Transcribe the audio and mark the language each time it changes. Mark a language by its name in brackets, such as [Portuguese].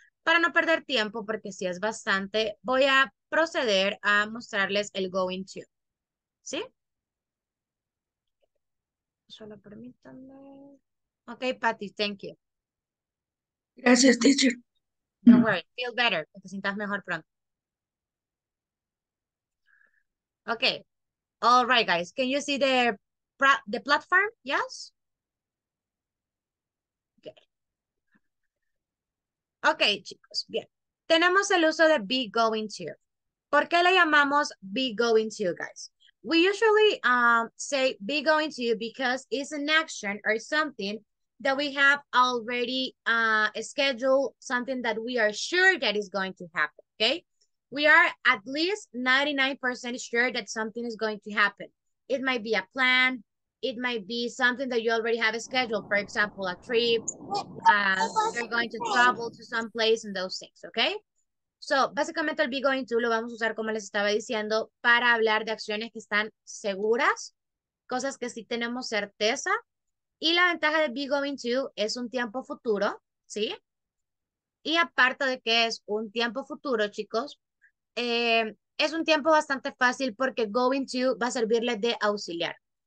[Spanish] Para no perder tiempo, porque sí es bastante, voy a proceder a mostrarles el going to. ¿Sí? Solo permítanme. [English] Ok, Patty, thank you. [Spanish] Gracias, teacher. [English] No worry, feel better, [Spanish] que te sientas mejor pronto. [English] Ok. All right, guys, can you see the platform? Yes? [Spanish] Ok, chicos, bien. Tenemos el uso de be going to. ¿Por qué le llamamos be going to, guys? [English] We usually say be going to because it's an action or something that we have already scheduled, something that we are sure that is going to happen, okay? We are at least 99% sure that something is going to happen. It might be a plan. It might be something that you already have scheduled, for example, a trip, you're going to travel to some place and those things, okay? [Spanish] So, básicamente el be going to lo vamos a usar, como les estaba diciendo, para hablar de acciones que están seguras, cosas que sí tenemos certeza, y la ventaja de be going to es un tiempo futuro, ¿sí? Y aparte de que es un tiempo futuro, chicos, es un tiempo bastante fácil porque going to va a servirle de auxiliar.